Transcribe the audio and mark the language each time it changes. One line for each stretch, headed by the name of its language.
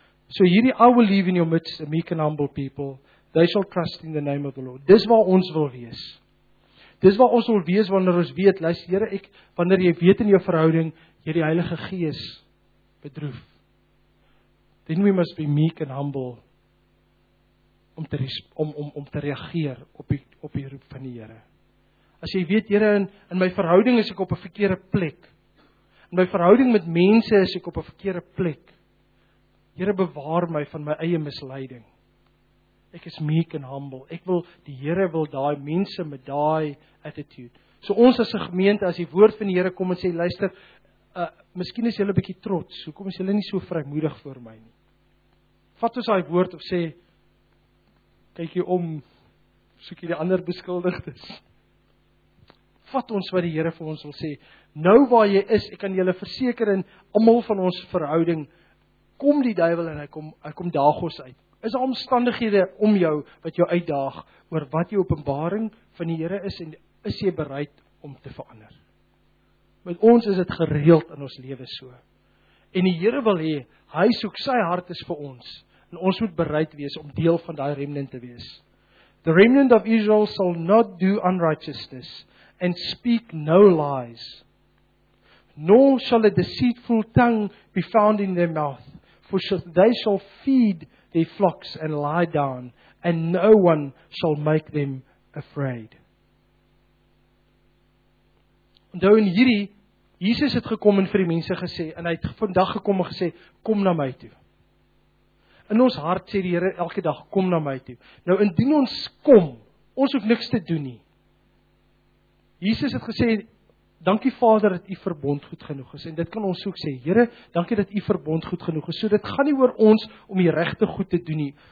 Afrikaans: So hierdie,
English: I will leave in your midst a meek and humble people. They shall trust in the name of the Lord.
Afrikaans: Dis waar ons wil wees. Dis waar ons wil wees wanneer ons weet, luister Here, ek, wanneer jy weet in jou verhouding, jy die Heilige Gees bedroef.
English: Then we must be meek and humble
Afrikaans: om te reageer op die roep van die Here. As jy weet, Here, in my verhouding is ek op 'n verkeerde plek. In my verhouding met mense is ek op 'n verkeerde plek. Here, bewaar my van my eie misleiding. Ek is meek en humble. Ek wil, die Here wil daai mense met daai attitude. So ons as 'n gemeente, as die woord van die Here kom en sê, luister, miskien is julle 'n bietjie trots. Hoekom is julle nie so vrymoedig voor my nie? Vat ons daai woord of sê, kyk jy om, soek jy die ander beskuldigdes. Vat ons wat die Here vir ons wil sê. Nou waar jy is, ek kan julle verseker in almal van ons verhouding, kom die duivel en hy kom daag ons uit. Is daar omstandighede om jou wat jou uitdaag oor wat jou openbaring van die Here is en is jy bereid om te verander? Met ons is dit gereeld in ons lewe so. En die Here wil hê, hy soek, sy hart is vir ons. En ons moet bereid wees om deel van daai remnant te wees.
English: The remnant of Israel shall not do unrighteousness and speak no lies. Nor shall a deceitful tongue be found in their mouth, for they shall feed they flocks and lie down, and no one shall make them afraid.
Afrikaans: Onthou in hierdie, Jesus het gekom en vir die mense gesê, en hy het vandag gekom en gesê, kom na my toe. In ons hart sê die Here elke dag, kom na my toe. Nou indien ons kom, ons hoef niks te doen nie. Jesus het gesê, dankie Vader dat u verbond goed genoeg is. En dit kan ons ook sê, Here, dankie dat u verbond goed genoeg is. So dit gaan nie oor ons om die regte goed te doen nie.